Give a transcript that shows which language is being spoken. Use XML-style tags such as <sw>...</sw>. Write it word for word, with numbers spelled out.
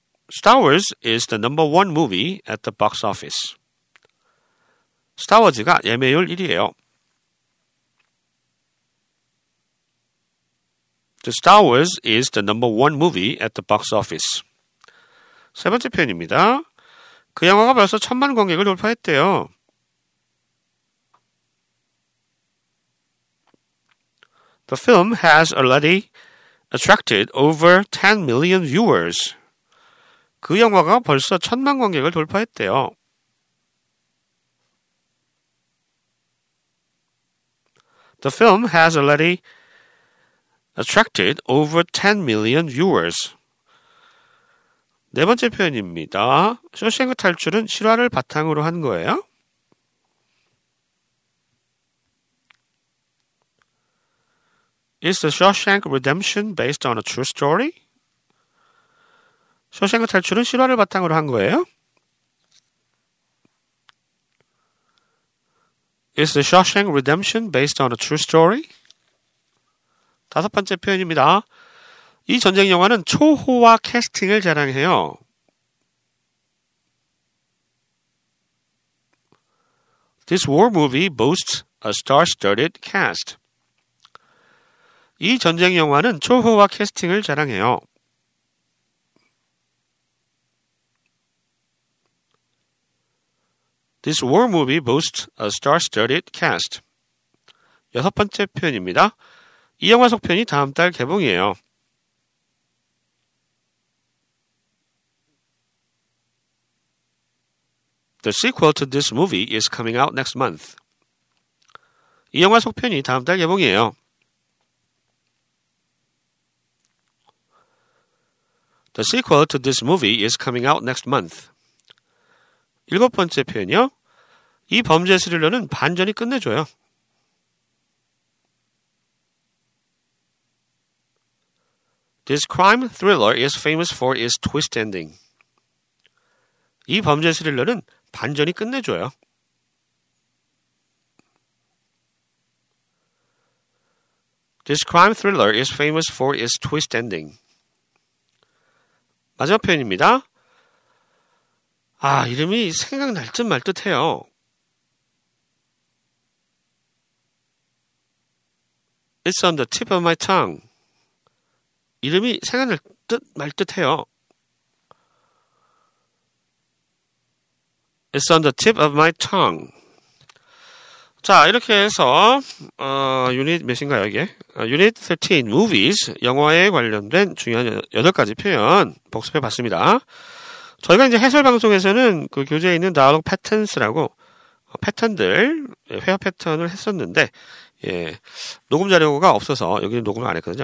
<en>Star Wars is the number one movie at the box office.</en> <ko>스타워즈가 예매율 일위예요.</ko> <en>The Star Wars is the number one movie at the box office.</en> <ko>세 번째 표현입니다. 그 영화가 벌써 천만 관객을 돌파했대요.</ko> <en>The film has already attracted over ten million viewers.</en> <ko>그 영화가 벌써 천만 관객을 돌파했대요.</ko> <en>The film has already attracted over ten million viewers.</en> <ko>네 번째 표현입니다. 쇼생크 탈출은 실화를 바탕으로 한 거예요?</ko> <en>Is the Shawshank Redemption based on a true story?</en> <ko>쇼생크 탈출은 실화를 바탕으로 한 거예요?</ko> <en>Is the Shawshank Redemption based on a true story?</en> <ko>다섯 번째 표현입니다. 이 전쟁 영화는 초호화 캐스팅을 자랑해요.</ko> <en>This war movie boasts a star-studded cast.</en> <ko>이 전쟁 영화는 초호화 캐스팅을 자랑해요.</ko> <en>This war movie boasts a star-studded cast.</en> <ko>여섯 번째 표현입니다. 이 영화 속편이 다음 달 개봉이에요.</ko> <en>The sequel to this movie is coming out next month.</en> <ko>이 영화 속편이 다음 달 개봉이에요.</ko> <en>The sequel to this movie is coming out next month.</en> <ko>일곱 번째 표현이요. 이 범죄 스릴러는 반전이 끝내줘요.</ko> <en>This crime thriller is famous for its twist ending.</en> <ko>이 범죄 스릴러는 반전이 끝내줘요.</ko> <en>This crime thriller is famous for its twist ending.</en> <ko>마지막 표현입니다. 아, 이름이 생각날 듯 말 듯해요.</ko> <en>It's on the tip of my tongue.</en> <ko>이름이 생각날 듯 말 듯해요.</ko> <en>It's on the tip of my tongue.</en> <ko>자, 이렇게 해서 어, 유닛 몇인가요 이게? 어, 유닛 십삼, movies, 영화에 관련된 중요한 여덟 가지 표현 복습해봤습니다. 저희가 이제 해설 방송에서는 그 교재에 있는 dialogue patterns라고 패턴들, 회화 패턴을 했었는데, 예, 녹음 자료가 없어서, 여기는 녹음을 안 했거든요.</ko>